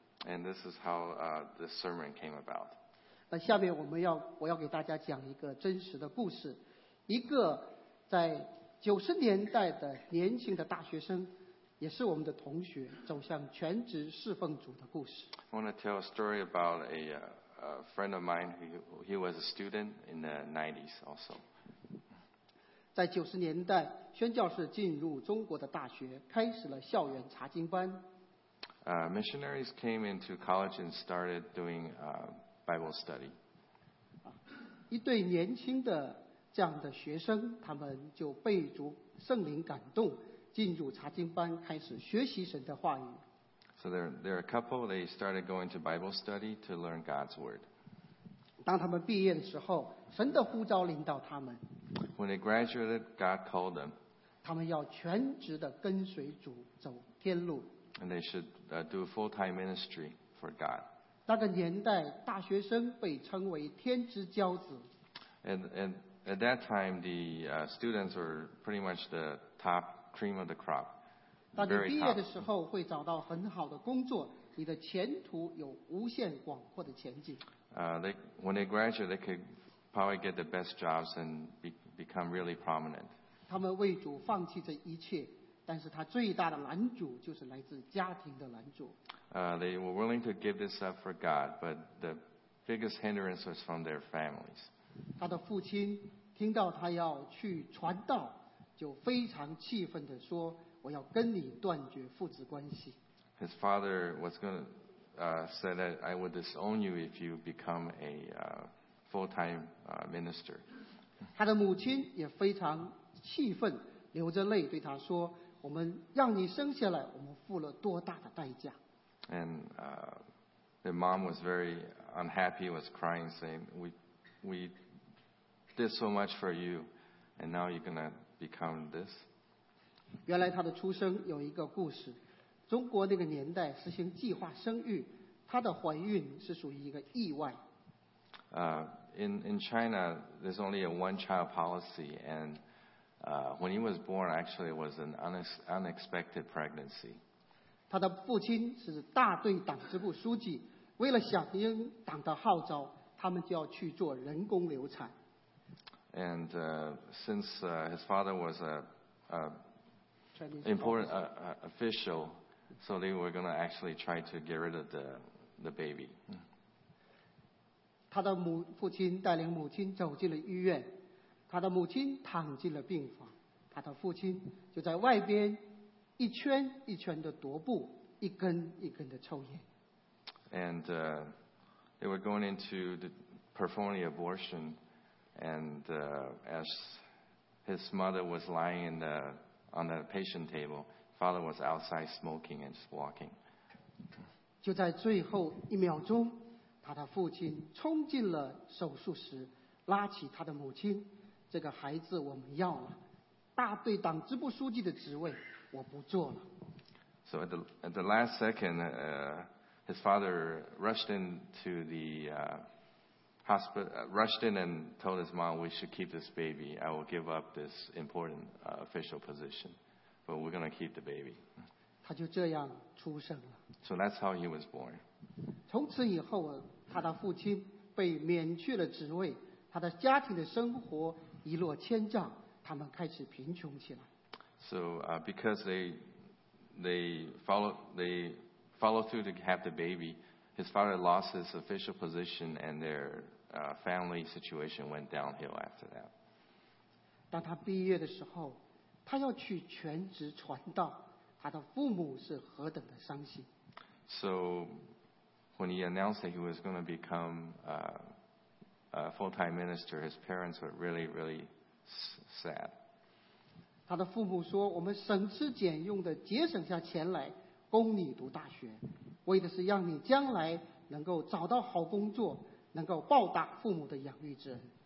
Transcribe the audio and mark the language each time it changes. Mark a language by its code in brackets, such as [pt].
[en] And this is how the sermon came about. [zh] 那下面我要给大家讲一个真实的故事，一个在九十年代的年轻的大学生。也是我们的同学走向全职侍奉主的故事。 [en] I want to tell a story about a friend of mine who was a student in the 90s also. [zh] 在九十年代，宣教士进入中国的大学，开始了校园查经班。 [en] Missionaries came into college and started doing Bible study. [zh] 一对年轻的这样的学生，他们就被主圣灵感动。进入查经班，开始学习神的话语。 [en] So there are a couple. They started going to Bible study to learn God's word. [zh] 当他们毕业的时候，神的呼召临到他们。 [en] When they graduated, God called them. [zh] 他们要全职的跟随主走天路。 [en] And they should do full-time ministry for God. [zh] 那个年代，大学生被称为天之骄子。 [en] And at that time, the students were pretty much the top. Cream of the crop. [zh] 当你毕业的时候，会找到很好的工作，你的前途有无限广阔的前景。 [en] When they graduate, they could probably get the best jobs and become really prominent. [zh] 他们为主放弃这一切，但是他最大的拦阻就是来自家庭的拦阻。 [en] They were willing to give this up for God, but the biggest hindrance was from their families. [zh] 他的父亲听到他要去传道，就非常气愤地说：“我要跟你断绝父子关系。” [en] His father was going to say that I would disown you if you become a full-time minister. [zh] 他的母亲也非常气愤，流着泪对他说：“我们让你生下来，我们付了多大的代价。” [en] And the mom was very unhappy, was crying, saying, "We did so much for you, and now you're going to become this." [zh] 原来他的出生有一个故事。中国那个年代实行计划生育，她的怀孕是属于一个意外。 [en] In China, there's only a one-child policy, and when he was born, actually, it was an unexpected pregnancy. [zh] 她的父亲是大队党支部书记，为了响应党的号召，他们就要去做人工流产。 [en] And since his father was an important official, so they were going to actually try to get rid of the baby. [zh] 他的父亲带领母亲走进了医院，他的母亲躺进了病房，他的父亲就在外边一圈一圈的踱步，一根一根的抽烟。 [en] And they were going into the performing the abortion. And as his mother was lying in the, on the patient table, father was outside smoking and just walking. [zh] 就在最后一秒钟，他的父亲冲进了手术室，拉起他的母亲，这个孩子我们要了，大队党支部书记的职位我不做了。 [en] So at the last second, his father rushed into the hospital and told his mom, "We should keep this baby. I will give up this important official position, but we're going to keep the baby." [zh] 他就这样出生了。 [en] So that's how he was born. [zh] 从此以后，他的父亲被免去了职位，他的家庭的生活一落千丈，他们开始贫穷起来。 [en] So because they followed through to have the baby, his father lost his official position and their family situation went downhill after that. [zh] 当他毕业的时候，他要去全职传道，他的父母是何等的伤心。 [en] So when he announced that he was going to become a full-time minister, his parents were really, really sad. [zh] 他的父母说，我们省吃俭用的节省下钱来供你读大学，为的是让你将来能够找到好工作，能够报答父母的养育之恩。